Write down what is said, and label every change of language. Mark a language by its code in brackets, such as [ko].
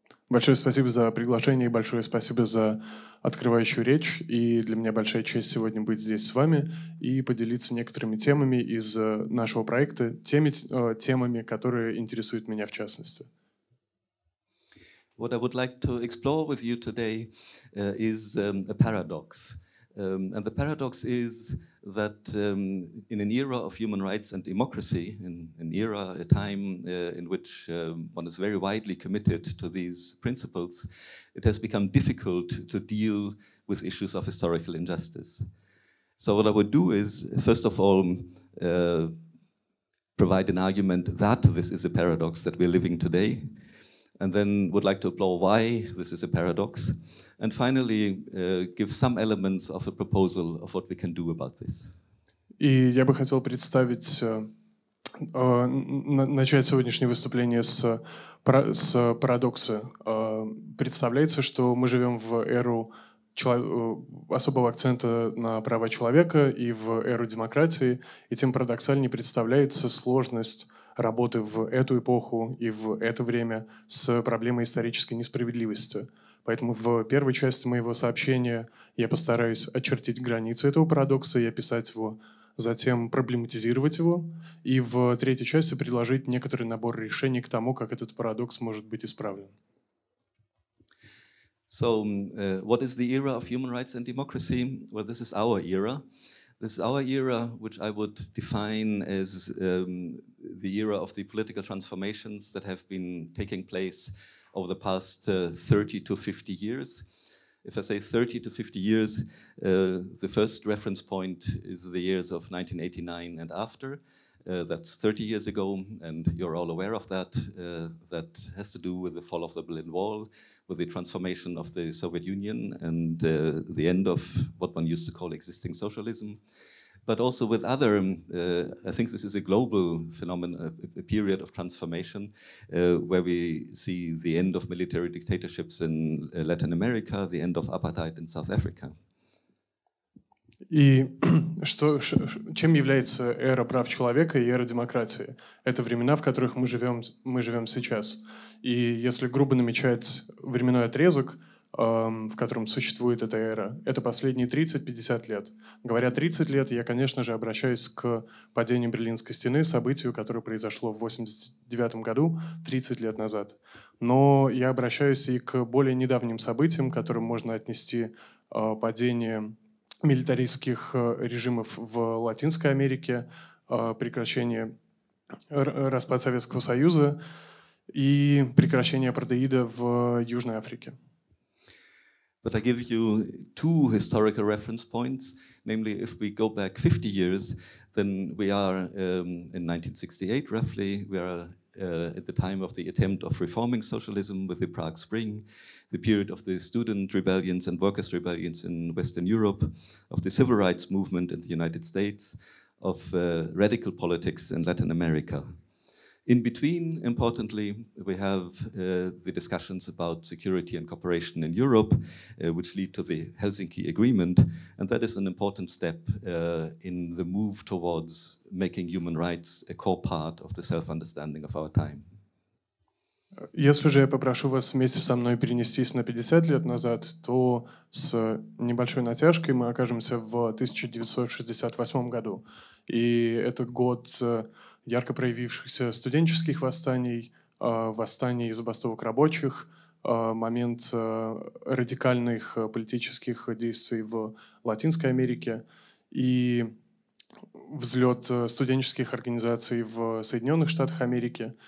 [ru] Большое спасибо за приглашение и большое спасибо за открывающую речь. И для меня большая честь сегодня быть здесь с вами и поделиться некоторыми темами из нашего проекта, темами, которые интересуют меня в частности. [en] What I would like to explore with you today is a paradox. And the paradox is that in an era of human rights and democracy, in an era, a time in which one is very widely committed to these principles, it has become difficult to deal with issues of historical injustice. So what I would do is, first of all, provide an argument that this is a paradox that we're living today, and then would like to explore why this is a paradox. And finally, give some elements of a proposal of what we can do about this. [ru] И я бы хотел начать сегодняшнее выступление с парадокса. Представляется, что мы живем в эру особого акцента на права человека и в эру демократии, и тем парадоксальнее представляется сложность работы в эту эпоху и в это время с проблемой исторической несправедливости. Поэтому в первой части моего сообщения я постараюсь очертить границы этого парадокса и описать его, затем проблематизировать его, и в третьей части предложить некоторый набор решений к тому, как этот парадокс может быть исправлен. [en] So, what is the era of human rights and democracy? Well, this is our era. This is our era, which I would define as the era of the political transformations that have been taking place over the past 30 to 50 years. If I say 30 to 50 years, the first reference point is the years of 1989 and after. That's 30 years ago, and you're all aware of that. That has to do with the fall of the Berlin Wall, with the transformation of the Soviet Union, and the end of what one used to call existing socialism. but also with other, I think this is a global phenomenon, a period of transformation, where we see the end of military dictatorships in Latin America, the end of apartheid in South Africa. [ru] И что, чем является эра прав человека и эра демократии? Это времена, в которых мы живем сейчас. И если грубо намечать временной отрезок, в котором существует эта эра, это последние 30-50 лет. Говоря 30 лет, я, конечно же, обращаюсь к падению Берлинской стены, событию, которое произошло в 89 году, 30 лет назад. Но я обращаюсь и к более недавним событиям, к которым можно отнести падение милитаристских режимов в Латинской Америке, прекращение распад Советского Союза и прекращение апартеида в Южной Африке. [en] But I give you two historical reference points. Namely, if we go back 50 years, then we are in 1968, roughly. We are at the time of the attempt of reforming socialism with the Prague Spring, the period of the student rebellions and workers' rebellions in Western Europe, of the civil rights movement in the United States, of radical politics in Latin America. In between, importantly, we have the discussions about security and cooperation in Europe, which lead to the Helsinki Agreement, and that is an important step in the move towards making human rights a core part of the self-understanding of our time. [ru] Если же я попрошу вас вместе со мной перенестись на 50 лет назад, то с небольшой натяжкой мы окажемся в 1968 году, и этот год ярко проявившихся студенческих восстаний, восстаний и забастовок рабочих, момент радикальных политических действий в Латинской Америке и взлет студенческих организаций в Соединенных Штатах Америки.